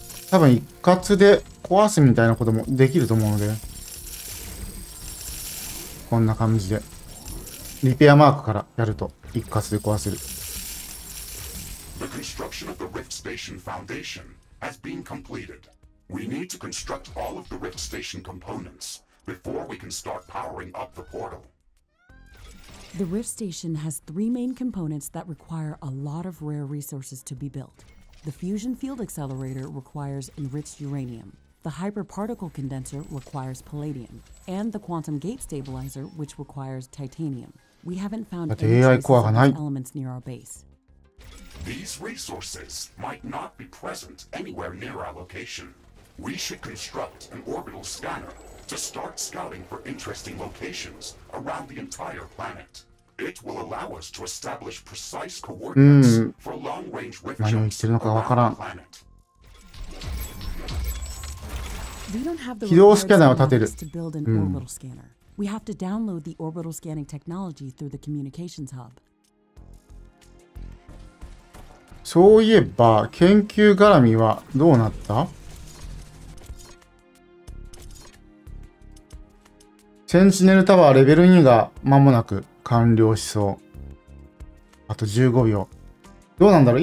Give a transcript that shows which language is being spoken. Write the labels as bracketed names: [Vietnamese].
[Japanese] 多分一括で壊すみたいなこともできると思うので。こんな感じで。リペアマークからやると一括で壊せる。 [English] The construction of the Rift Station Foundation has been completed. We need to construct all of the Rift Station components before we can start powering up the portal. The Rift Station has three main components that require a lot of rare resources to be built.The fusion field accelerator requires enriched uranium. The hyperparticle condenser requires palladium, and the quantum gate stabilizer, which requires titanium. We haven't found any traces of these elements near our base. These resources might not be present anywhere near our location. We should construct an orbital scanner to start scouting for interesting locations around the entire planet. It will allow us to establish precise coordinates for long-range rift jumps around the planet. We don't have the orbital scanner. We have to download the orbital scanning technology through the communications hub. [Japanese] そういえば、研究絡みはどうなった？センチネルタワーレベル2が間もなく。完了しそう。あと15秒。どうなんだろう。